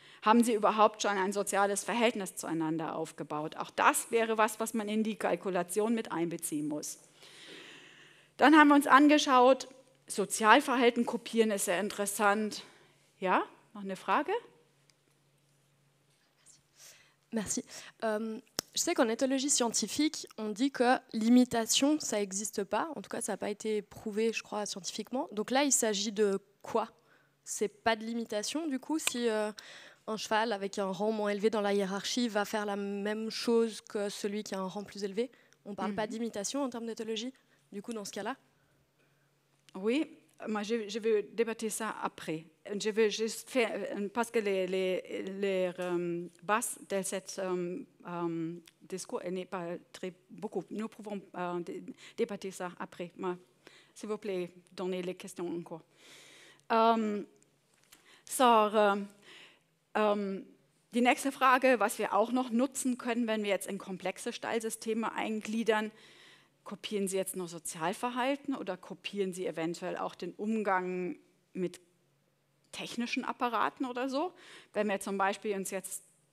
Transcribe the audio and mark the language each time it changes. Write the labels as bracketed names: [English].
[German] Haben sie überhaupt schon ein soziales Verhältnis zueinander aufgebaut? Auch das wäre was, was man in die Kalkulation mit einbeziehen muss. Dann haben wir uns angeschaut, Sozialverhalten kopieren ist sehr interessant. Ja, noch eine Frage? [French] Merci. Je sais qu'en éthologie scientifique, on dit que l'imitation, ça n'existe pas. En tout cas, ça n'a pas été prouvé, je crois, scientifiquement. Donc là, il s'agit de quoi? C'est pas de l'imitation, du coup, si un cheval avec un rang moins élevé dans la hiérarchie va faire la même chose que celui qui a un rang plus élevé? On ne parle pas d'imitation en termes d'éthologie, du coup, dans ce cas-là? Oui, moi, je vais débattre ça après. Je vais juste faire, parce que les bases de cette discours n'est pas très beaucoup. Nous pouvons débattre ça après. Mais, s'il vous plaît, donnez les questions encore. [German] Die nächste Frage, was wir auch noch nutzen können, wenn wir jetzt in komplexe Stallsysteme eingliedern, kopieren Sie jetzt nur Sozialverhalten oder kopieren Sie eventuell auch den Umgang mit technischen Apparaten oder so? Wenn wir zum Beispiel uns jetzt